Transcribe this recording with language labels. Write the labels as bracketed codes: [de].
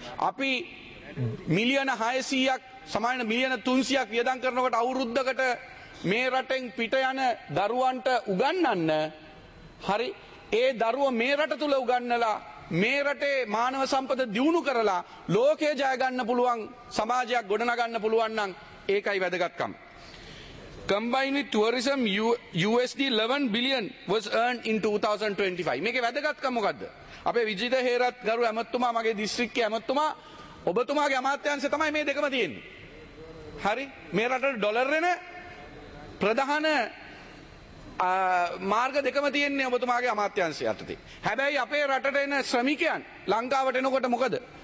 [si] අපි මිලියන 600ක් සමාන මිලියන 300ක් වියදම් කරනකොට අවුරුද්දකට මේ රටෙන් පිට යන දරුවන්ට උගන්වන්න, හරි, ඒ දරුවෝ මේ රට තුල උගන්නලා මේ රටේ මානව සම්පත දියුණු කරලා ලෝකයේ ජය ගන්න පුළුවන් සමාජයක් ගොඩනගන්න පුළුවන් නම් ඒකයි වැදගත්කම. [en] Combined with tourism USD 11 billion was earned in 2025. [si] මේකේ වැදගත්කම මොකද්ද? අපේ විජිත හේරත් ගරු ඇමතුමා, මගේ දිස්ත්‍රික්කයේ ඇමතුමා, ඔබතුමාගේ අමාත්‍යාංශය තමයි මේ දෙකම තියෙන්නේ. හරි, මේ රටේ ඩොලර් වෙන ප්‍රධාන මාර්ග දෙකම තියෙන්නේ ඔබතුමාගේ අමාත්‍යාංශය යටතේ. හැබැයි අපේ රටට එන ශ්‍රමිකයන් ලංකාවට එනකොට මොකද?